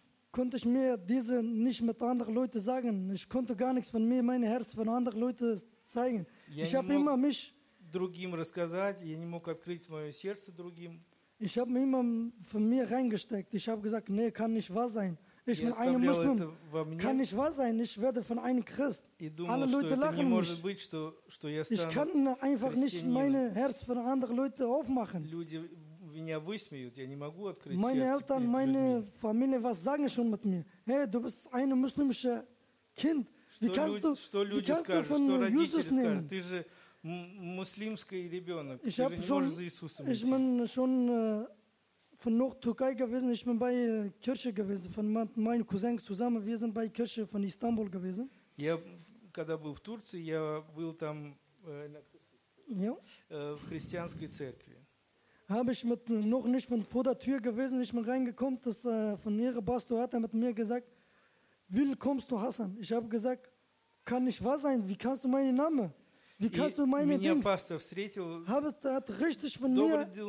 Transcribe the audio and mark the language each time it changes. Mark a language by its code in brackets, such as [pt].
[de] Konnte ich mir diese nicht mit anderen Leuten sagen. Ich konnte gar nichts von mir, mein Herz von anderen Leuten zeigen. Ich habe immer mich... [ru] другим рассказать, я не мог открыть мое сердце другим. [de] Ich habe mich immer von mir reingesteckt. Ich habe gesagt, nee, kann nicht wahr sein. Ich bin ein Muslim. Kann nicht wahr sein, ich werde von einem Christ. Alle Leute lachen mich. Ich kann einfach nicht mein Herz von anderen Leuten aufmachen. [ru] Меня высмеют, я не могу открыть [de] meine [ru] сердце. [de] Eltern, meine Familie, was sagen schon mit mir? Hey, du bist ein muslimisches Kind. Wie kannst du, [ru] что люди скажут, что родители Jesus скажут? [de] Nehmen? [ru] Ты же муслимский ребенок, [de] ich [ru] ты же не [de] schon, [ru] можешь за Иисусом идти. [de] Ich bin schon von Nord-Türkei gewesen, ich bin bei Kirche gewesen, von meinem Cousin zusammen, wir sind bei Kirche von Istanbul gewesen. [ru] Я, когда был в Турции, я был там в христианской церкви. [de] Habe ich mit, noch nicht von vor der Tür gewesen, ich bin reingekommen, das, von ihrer Bastu hat er mit mir gesagt, wie kommst du, Hassan? Ich habe gesagt, kann nicht wahr sein, wie kannst du meinen Namen? Wie kannst du meine Dings? Habe ich richtig von mir...